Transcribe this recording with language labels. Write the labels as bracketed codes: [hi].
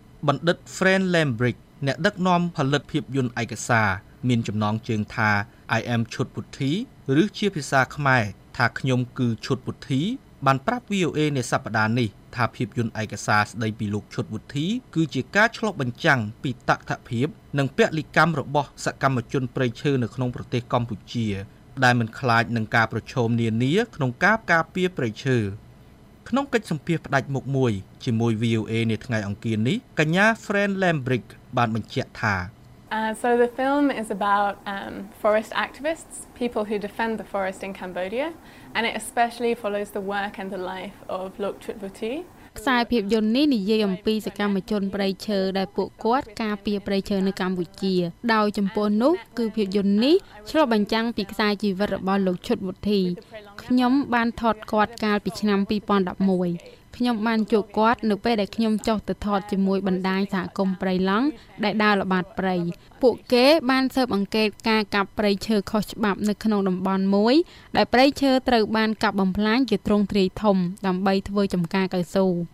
[km] បណ្ឌិត Fran Lambrick អ្នកដឹកនាំផលិតភាពយន្តឯកសារមានចំណងជើងថា I am ឈុតវុធីឬជាភាសាខ្មែរថាខ្ញុំគឺឈុតវុធីបានប្រាប់ VOA នៅសប្តាហ៍នេះថាភាពយន្តឯកសារស្ដីពីលោកឈុតវុធីគឺជាការឆ្លុះបញ្ចាំងពីតក្កភាពនិងពលិកម្មរបស់សកម្មជនព្រៃឈើនៅក្នុងប្រទេសកម្ពុជា ដែលមិនខ្លាចនឹងការប្រឈមនានាក្នុងការការពារព្រៃឈើក្នុងកិច្ចសម្ភាសន៍ផ្ដាច់មុខមួយជាមួយ VOA នាថ្ងៃអង្គារនេះកញ្ញា Fran Lambrick បានបញ្ជាក់ថា [en] So the film is about forest activists, people who defend the forest in Cambodia, and it especially follows the work and the life of Lok Chut Vuthi. [km] ខ្សែភាពយន្តនេះនិយាយអំពីសកម្មជនព្រៃឈើដែលពួកគាត់ការពារព្រៃឈើនៅកម្ពុជាដោយចំពោះនោះគឺភាពយន្តនេះឆ្លុះបញ្ចាំងពីខ្សែជីវិតរបស់លោកឈុតវុធី ខ្ញុំបានថតគាត់កាលពីឆ្នាំ2011ខ្ញុំបានជួបគាត់នៅពេលដែលខ្ញុំចុះទៅថតជាមួយបណ្ដាញសហគមន៍ព្រៃឡង់ដែលដើរល្បាតព្រៃពួកគេបានស៊ើបអង្កេតការកាប់ព្រៃឈើខុសច្បាប់នៅក្នុងតំបន់មួយដែលព្រៃឈើត្រូវបានកាប់បំផ្លាញជាទ្រង់ទ្រាយធំដើម្បីធ្វើចំការកៅស៊ូ